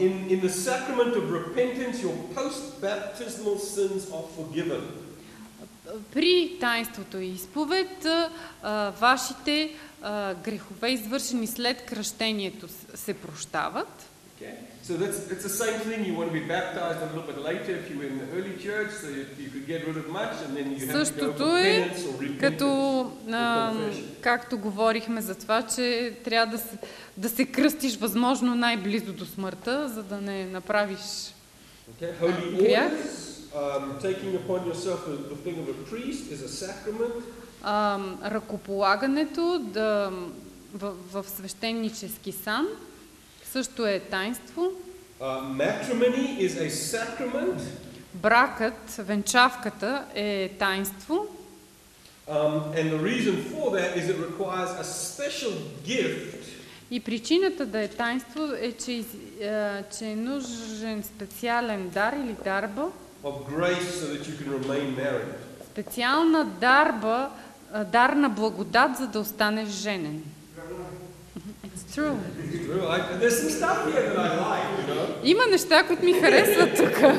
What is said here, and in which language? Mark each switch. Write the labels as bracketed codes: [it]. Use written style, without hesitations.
[en] In the sacrament of repentance, your post-baptismal sins are forgiven. [bg] При таинството изповед, вашите грехове, извършени след кръщението, се прощават. [en] Okay. So it's the same thing. You want to be baptized a little bit later if you were in the early church, so you could get rid of much, and then you have to go for penance or repentance. [bg] Като както говорихме за това, че трябва да се кръстиш възможно най-близо до смъртта, за да не направиш грях. [en] Taking upon yourself the thing of a priest is a sacrament. [bg] Ръкополагането да в свещенически сан също е таинство. [en] Matrimony is a sacrament. [bg] Бракът, венчавката е таинство. [en] And the reason for that is it requires a special gift. [bg] И причината да е таинство е, че е нужен специален дар или дарба. [en] Of grace so that you can remain married. [bg] Специална дарба, дар на благодат, за да останеш женен. [en] True. There's some stuff here that I like, you know. [bg] Има неща, които ми харесват тук.